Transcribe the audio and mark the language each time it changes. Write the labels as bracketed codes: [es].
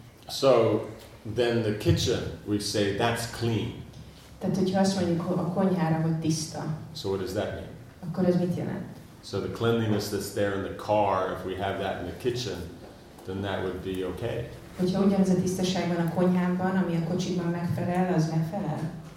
[en] So then the kitchen, we say that's clean. [hu] Tehát hogyha azt mondjuk a konyhára, hogy tiszta. [en] So what does that mean? [hu] Akkor ez mit jelent? [en] So the cleanliness that's there in the car, if we have that in the kitchen, then that would be okay. [hu] Hogyha ugyanaz a tisztaság van a konyhámban, ami a kocsiban megfelel, az megfelel?